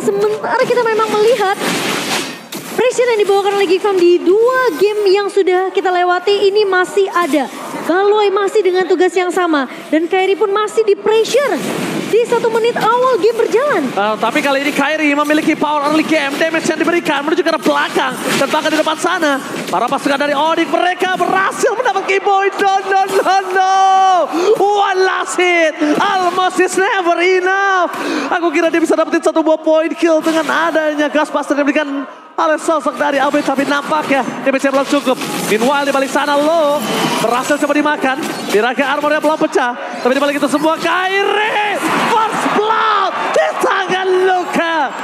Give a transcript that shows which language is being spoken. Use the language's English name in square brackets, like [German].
[Indonesian] Sementara kita memang melihat pressure yang dibawakan oleh Geek Farm di dua game yang sudah kita lewati ini masih ada. Galoy masih dengan tugas yang sama, dan Kairi pun masih di pressure di satu menit awal game berjalan. Tapi kali ini Kairi memiliki power early game, damage yang diberikan menuju ke arah belakang dan bahkan di depan sana. Para pasukan dari Onyx mereka berhasil mendapat key point. No. [English] One last hit, almost is never enough. [Indonesian] Aku kira dia bisa dapetin satu buah point kill dengan adanya gas blaster yang diberikan oleh sosok dari Abe, tapi nampak ya damage belum cukup. Meanwhile di balik sana lo berhasil coba dimakan. Tiraga armornya belum pecah. Tapi di balik itu semua Kairi. First blood di tangan Luka.